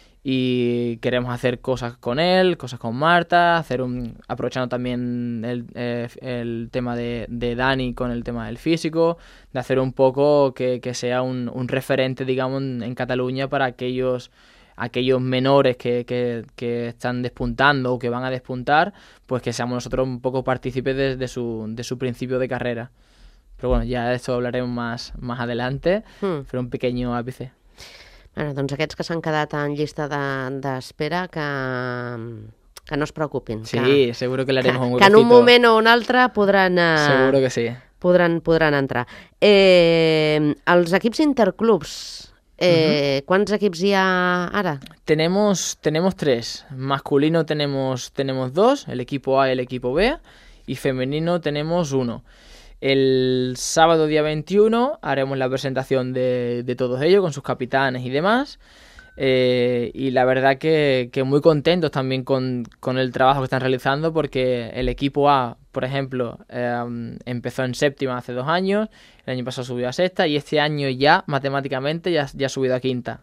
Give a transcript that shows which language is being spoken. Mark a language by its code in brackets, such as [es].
[es] Y queremos hacer cosas con él, cosas con Marta, aprovechando también el tema de Dani con el tema del físico, de hacer un poco que sea un referente, digamos, en Cataluña para aquellos menores que están despuntando o que van a despuntar, pues que seamos nosotros un poco partícipes de su principio de carrera. Pero bueno, ya de esto hablaremos más adelante, pero un pequeño ápice. [ca] Bueno, doncs aquests que s'han quedat en llista d'espera, que no es preocupin. [es] Sí, segur que l'haremos un huequito. [ca] Que en un moment o un altre podran... [es] Seguro que sí. [ca] Podran entrar. Els equips interclubs, quants equips hi ha ara? [es] Tenemos tres. Masculino tenemos dos, el equipo A y el equipo B, y femenino tenemos uno. El sábado día 21 haremos la presentación de todos ellos con sus capitanes y demás. Y la verdad que muy contentos también con el trabajo que están realizando, porque el equipo A, por ejemplo, empezó en séptima hace 2 años, el año pasado subió a sexta y este año ya matemáticamente ya ha subido a quinta.